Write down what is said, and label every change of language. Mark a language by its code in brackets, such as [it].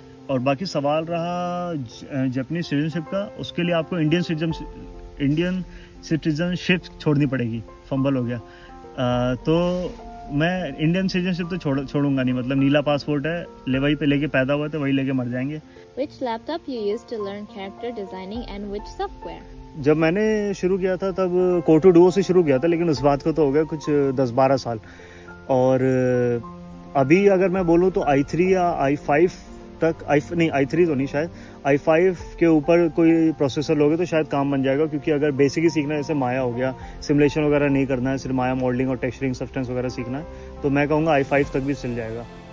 [hi] और बाकी सवाल रहा जापानी सिटीजनशिप का, उसके लिए आपको इंडियन सिटीजनशिप छोड़नी पड़ेगी, फंबल हो गया। तो मैं इंडियन सिटीजनशिप तो छोड़ूंगा नहीं, मतलब नीला पासपोर्ट है, लेवाई पे लेके पैदा हुआ तो वही लेके मर जाएंगे। [en] Which laptop you used to learn character designing and which software? [hi] जब मैंने शुरू किया था तब कोटू डुओ से शुरू किया था, लेकिन उस बात को तो हो गया कुछ 10-12 साल। और अभी अगर मैं बोलूँ तो i3 या i5 तक, i5 के ऊपर कोई प्रोसेसर लोगे तो शायद काम बन जाएगा, क्योंकि अगर बेसिक ही सीखना है जैसे माया हो गया, सिमुलेशन वगैरह नहीं करना है, सिर्फ माया मॉडलिंग और टेक्सचरिंग सब्सटेंस वगैरह सीखना है, तो मैं कहूंगा i5 तक भी चल जाएगा।